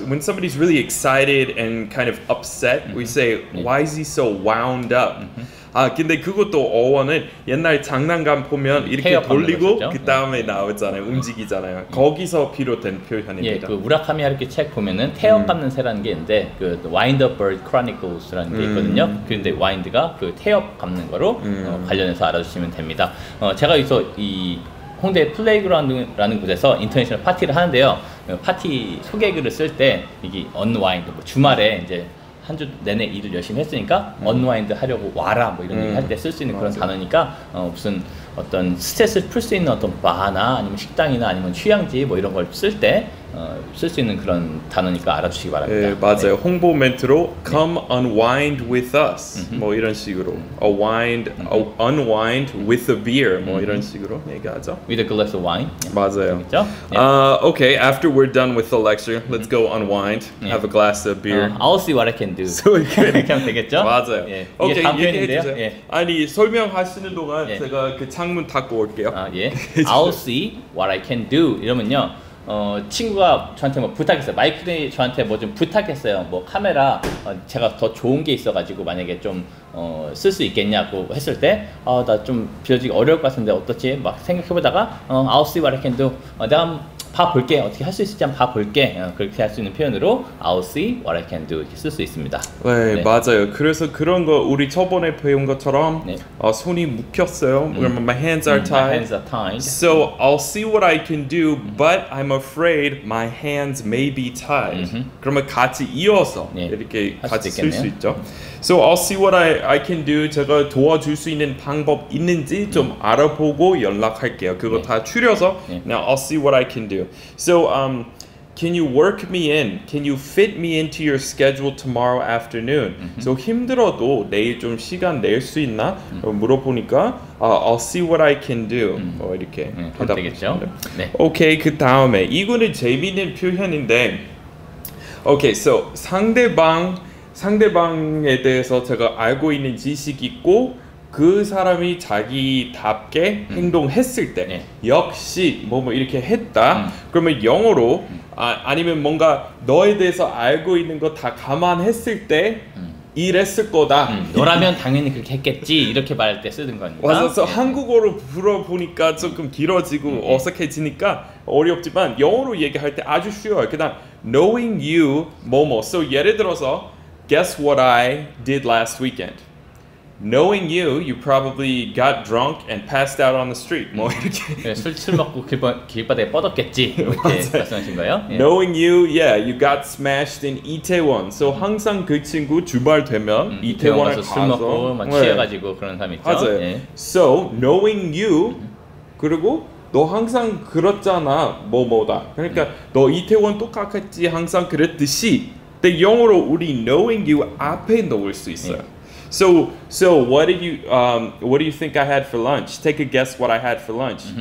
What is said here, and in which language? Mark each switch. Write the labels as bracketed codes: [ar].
[en] When somebody's really excited and kind of upset, we say, why is he so wound up? [ko] 아, 근데 그것도 어원은 옛날 장난감 보면 이렇게 돌리고 그 다음에 나오잖아요. 움직이잖아요. 거기서 비롯된 표현입니다. 예, 그 우라카미 하루키 책 보면은 태엽 감는 새라는 게 있는데 그 Wind Up Bird Chronicles라는 게 있거든요. 그런데 wind가 그 태엽 감는 거로 관련해서 알아주시면 됩니다. 제가 여기서 이 홍대 플레이그라운드라는 곳에서 인터내셔널 파티를 하는데요. 파티 소개글을 쓸 때 이게 언와인드 뭐 주말에 이제 한 주 내내 일을 열심히 했으니까 언와인드 하려고 와라 뭐 이런 얘기 할 때 쓸 수 있는 그런 단어니까 무슨 어떤 스트레스를 풀 수 있는 어떤 바나 아니면 식당이나 아니면 휴양지 뭐 이런 걸 쓸 때 쓸 수 있는 그런 단어니까 알아주시기 바랍니다. 예, 맞아요. 네. 홍보 멘트로 come 네. [en] unwind with us [ko] 뭐 이런 식으로 [en] unwind with a beer [ko] 뭐 이런 식으로 얘기하죠. [en] With a glass of wine. [ko] 맞아요. 네. [en] Okay, after we're done with the lecture, let's go unwind, 네. have a glass of beer. I'll see what I can do. So you can [ko] 되겠죠? 맞아요. 예. 오케이, 이게 얘기해주세요. 예. 아니 설명하시는 동안 예. 제가 그 창문 닫고 올게요. [en] 아 예. I'll see what I can do. [ko] 이러면요. 친구가 저한테 뭐 부탁했어요. 마이클이 저한테 뭐 좀 부탁했어요. 뭐 카메라 제가 더 좋은 게 있어가지고 만약에 좀 쓸 수 있겠냐고 했을 때 나 좀 빌려주기 어려울 것 같은데 어떻지? 막 생각해보다가 [en] I'll see what I can do. [ko] 내가 봐볼게. 어떻게 할 수 있을지 한번 봐볼게. 그렇게 할 수 있는 표현으로 [en] I'll see what I can do [ko] 이렇게 쓸 수 있습니다. 네, 네. 맞아요. 그래서 그런 거 우리 저번에 배운 것처럼 네. 손이 묶였어요. [en] My hands are tied. My hands are tied. So I'll see what I can do, but I'm afraid my hands may be tied. [ko] 그러면 같이 이어서 네. 이렇게 같이 쓸 수 있죠. [en] So I'll see what I can do. [ko] 제가 도와줄 수 있는 방법 있는지 좀 알아보고 연락할게요. 그거 네. 다 줄여서 네. [en] Now I'll see what I can do. So can you work me in? Can you fit me into your schedule tomorrow afternoon? [ko] So 힘들어도 내일 좀 시간 낼 수 있나? 물어보니까 [en] I'll see what I can do. [ko] 이렇게 되겠죠? 네. Okay, 그 다음에 이거는 재미있는 표현인데 Okay, so 상대방에 대해서 제가 알고 있는 지식이 있고 그 사람이 자기답게 행동했을 때 네. 역시 뭐뭐 이렇게 했다 그러면 영어로 아니면 뭔가 너에 대해서 알고 있는 거 다 감안했을 때 이랬을 거다 너라면 당연히 그렇게 했겠지 이렇게 말할 때 쓰는 거니까 맞아서 네. 한국어로 불어보니까 조금 길어지고 어색해지니까 어렵지만 영어로 얘기할 때 아주 쉬워요 그냥 [en] knowing you [ko] 뭐뭐 so 예를 들어서 [en] Guess what I did last weekend? Knowing you, you probably got drunk and passed out on the street. [ko] 뭐 이렇게 술 먹고 길바닥에 뻗었겠지 이렇게 말씀하신 거예요? [en] Knowing you, yeah, you got smashed in Itaewon. [ko] So 항상 그 친구 주말 되면 이태원 가서 술 먹고 막 취해가지고 그런 사람 있죠? 맞아요. [en] So knowing you, [ko] 그리고 너 항상 그렇잖아 뭐뭐다. 그러니까 너 이태원 똑같겠지 항상 그랬듯이. 근데 영어로 우리 [en] knowing you [ko] 앞에 넣을 수 있어요. Yeah. [en] So what do you think I had for lunch? Take a guess what I had for lunch.